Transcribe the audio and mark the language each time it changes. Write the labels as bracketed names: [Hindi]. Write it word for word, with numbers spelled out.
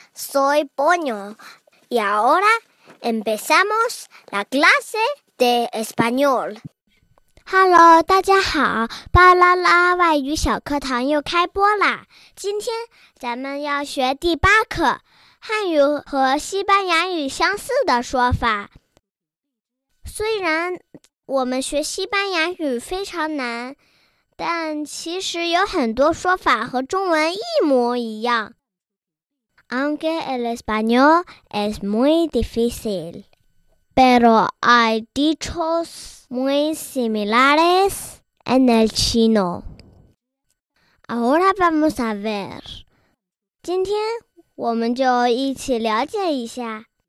[Spanish] Soy Boño y ahora empezamos la clase. De español. [English] Hello, [Chinese] 大家好，巴啦啦外语小课堂又开播啦！今天咱们要学第八课，汉语和西班牙语相似的说法。虽然我们学西班牙语非常难，但其实有很多说法和中文一模一样。 [Spanish] Aunque el español es muy difícil. Pero hay dichos muy similares en el chino. Ahora vamos a ver. [Chinese] 今天我们就一起了解一下。